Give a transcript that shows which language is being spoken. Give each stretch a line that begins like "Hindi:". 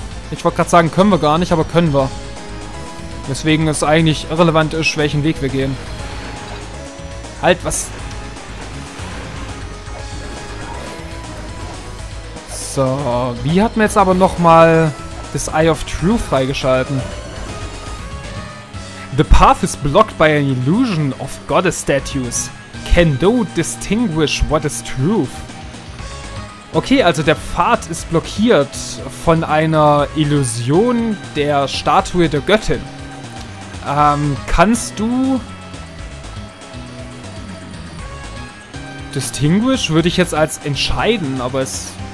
German: Ich wollte gerade sagen, können wir gar nicht, aber können wir. Deswegen ist eigentlich irrelevant, ist, welchen Weg wir gehen. Halt, was? So, wie hat man jetzt aber nochmal das Eye of Truth freigeschalten?
English: The path is blocked by an illusion of goddess statues. Can thou distinguish what is truth?
German: Okay, also der Pfad ist blockiert von einer Illusion der Statue der Göttin. Kannst du... Distinguish würde ich jetzt als entscheiden, aber es...